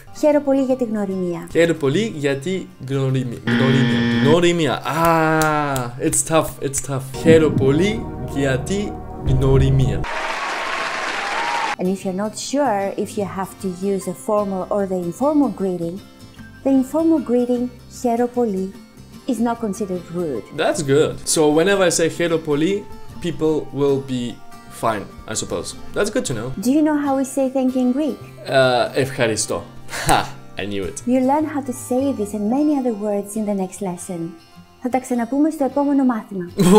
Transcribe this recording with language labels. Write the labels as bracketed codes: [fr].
[el] Χαίρο πολύ για τη γνωριμία. Χαίρο πολύ για τη γνωριμία. Γνωριμία. [en] It's tough. [el] Χαίρο πολύ για τη γνωριμία. [en] And if you're not sure if you have to use a formal or the informal greeting, the informal greeting, [el] χαίρο πολύ, [en] is not considered rude. That's good. So whenever I say [el] χαίρο πολύ, [en] people will be fine, I suppose. That's good to know. Do you know how we say thank you in Greek? [el] Ευχαριστώ. [en] Ha! I knew it. You'll learn how to say this and many other words in the next lesson. [el] Θα τα ξαναπούμε στο επόμενο μάθημα.